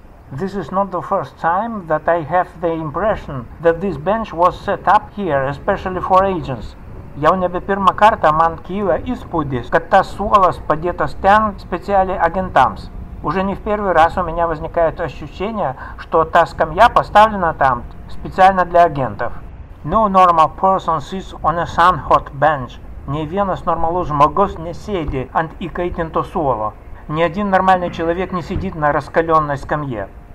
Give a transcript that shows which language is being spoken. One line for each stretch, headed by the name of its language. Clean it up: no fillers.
English: This is not the first time that I have the impression that this bench was set up here, especially for agents.
Lithuanian: Jau nebe pirmą kartą man kyla įspūdis, kad tas suolas padėtas ten specialiai agentams.
Russian: Уже не в первый раз у меня возникает ощущение, что та скамья поставлена там специально для агентов.
English: No normal person sits on a sun-hot bench.
Lithuanian: Ни vienas normalus žmogus не сидит ant įkaitinto suolo.
Russian: Ни один нормальный человек не сидит на раскаленной скамье.